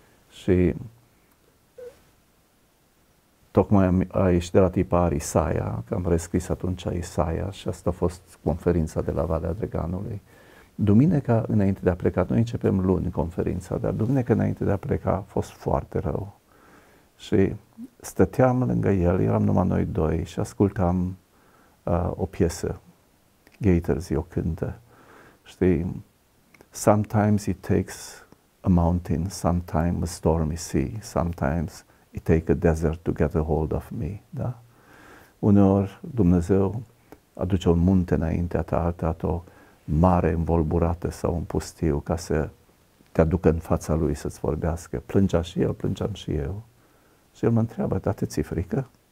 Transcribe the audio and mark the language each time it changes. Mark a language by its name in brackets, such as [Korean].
[Romanian] Și tocmai a ieșit de la tipar Isaia, că am rescris atunci Isaia și asta a fost conferința de la Valea Drăganului. Duminica înainte de a pleca, noi începem luni conferința, dar duminica înainte de a pleca a fost foarte rău. Și stăteam lângă el, eram numai noi doi și ascultam o piesă, Gators, o cântă. Știi, [English] sometimes it takes a mountain, sometimes a stormy sea, sometimes it takes a desert to get a hold of me. [Romanian] Da? Uneori Dumnezeu aduce un munte înaintea ta, o mare învolburată sau un pustiu ca să te aducă în fața lui să-ți vorbească. Plângea și el, plângeam și eu. Și el mă întreabă, dar te ți-e frică?